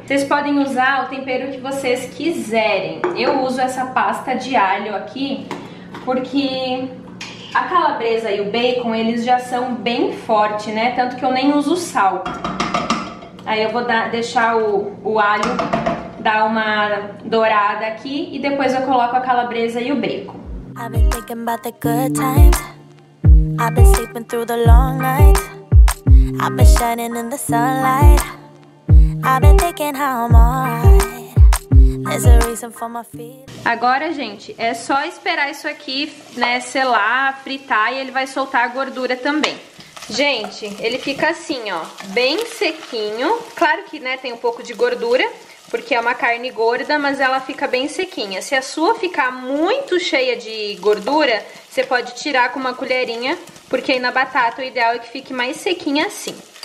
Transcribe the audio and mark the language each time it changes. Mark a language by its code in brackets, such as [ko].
[pt] Vocês podem usar o tempero que vocês quiserem. Eu uso essa pasta de alho aqui porque a calabresa e o bacon, eles já são bem fortes, né? Tanto que eu nem uso sal. Aí eu vou deixar o alho dar uma dourada aqui e depois eu coloco a calabresa e o bacon. [en] I've been thinking about the good times. I've been sleeping through the long nights. I've been shining in the sunlight. I've been thinking how I'm alright. There's a reason for my fear. [pt] Agora, gente, é só esperar isso aqui, né, selar, fritar e ele vai soltar a gordura também. Gente, ele fica assim, ó, bem sequinho. Claro que, né, tem um pouco de gordura, porque é uma carne gorda, mas ela fica bem sequinha. Se a sua ficar muito cheia de gordura, você pode tirar com uma colherinha, porque aí na batata o ideal é que fique mais sequinha assim.